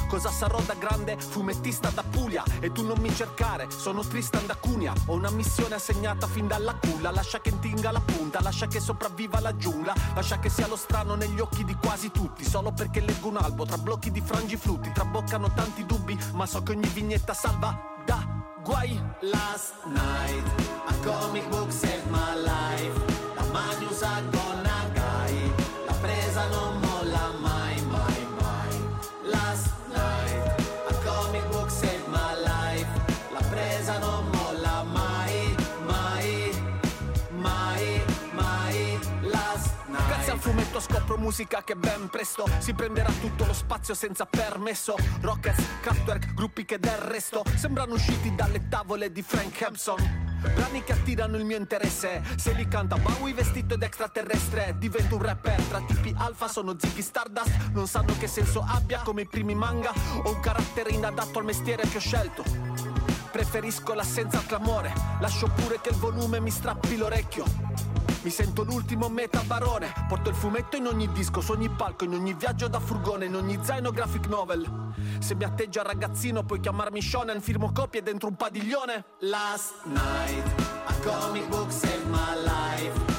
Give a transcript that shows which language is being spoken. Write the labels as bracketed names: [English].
[Italian] Cosa sarò da grande? Fumettista da Puglia. E tu non mi cercare, sono Tristan da Cunia. Ho una missione assegnata fin dalla culla. Lascia che intinga la punta, lascia che sopravviva la giungla. Lascia che sia lo strano negli occhi di quasi tutti. Solo perché leggo un albo tra blocchi di frangifrutti. Traboccano tanti dubbi, ma so che ogni vignetta salva da guai. [English] Last night, a comic book saved my life. [Italian] La Magnus a gonna guy. La presa non molla mai, mai, mai. [English] Last night, a comic book saved my life. [Italian] La presa non molla mai, mai, mai, mai. [English] Last night. [Italian] Al fumetto scopro musica che ben presto si prenderà tutto lo spazio senza permesso. Rockers, Kraftwerk, gruppi che del resto sembrano usciti dalle tavole di Frank Hampson. Brani che attirano il mio interesse, se li canta Bowie vestito ed extraterrestre. Divento un rapper tra tipi alfa, sono Ziggy Stardust. Non sanno che senso abbia come i primi manga. Ho un carattere inadatto al mestiere che ho scelto. Preferisco l'assenza al clamore. Lascio pure che il volume mi strappi l'orecchio. Mi sento l'ultimo metabarone. Porto il fumetto in ogni disco, su ogni palco, in ogni viaggio da furgone, in ogni zaino graphic novel. Se mi atteggio a ragazzino puoi chiamarmi Shonen. Firmo copie dentro un padiglione. [English] Last night, a comic book saved my life.